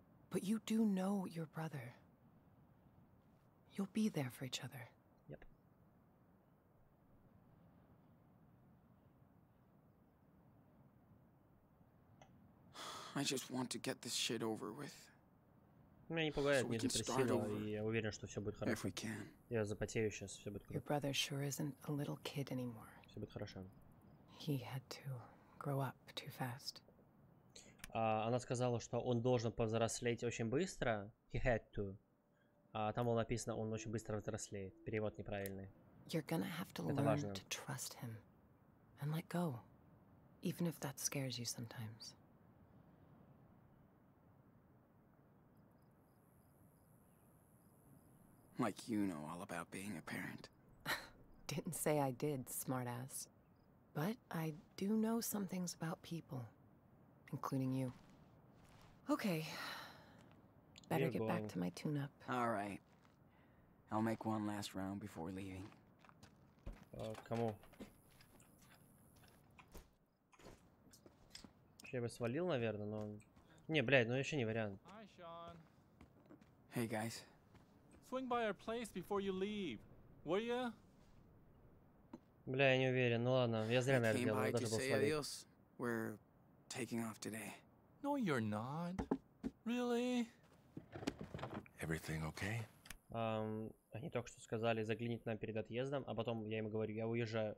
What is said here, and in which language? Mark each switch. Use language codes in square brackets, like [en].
[en] But you do know your brother. You'll be there for each other. Yep. I just want to get this shit over with. [ru] Меня не пугает, не депрессировало, и я уверен, что все будет хорошо. Я запотею сейчас, все будет хорошо. [en] Your brother sure isn't a little kid anymore. [ru] Все будет хорошо. [en] He had to grow up too fast. [ru] Она сказала, что он должен повзрослеть очень быстро. [en] He had to. [ru] А там было написано, он очень быстро взрослеет. Перевод неправильный. [en] You're gonna have to learn to trust him and let go, even if that scares you sometimes. Like you know all about being a parent. Didn't say I did, smartass. But I do know some things about people, including you. Okay. Better get back to my tune-up. All right. I'll make one last round before leaving. Oh, come on. [ru] Я бы свалил, наверное, но не, блядь, ну еще не вариант. [en] Hi, Sean. Hey, guys. Swing by our place before you leave, will ya? [ru] Бля, я не уверен. Ну ладно, я зря наверное делал. Даже был свалить. [en] We're taking off today. No, you're not. Really? Everything okay? [ru] Они только что сказали заглянуть нам перед отъездом, а потом я им говорю, я уезжаю.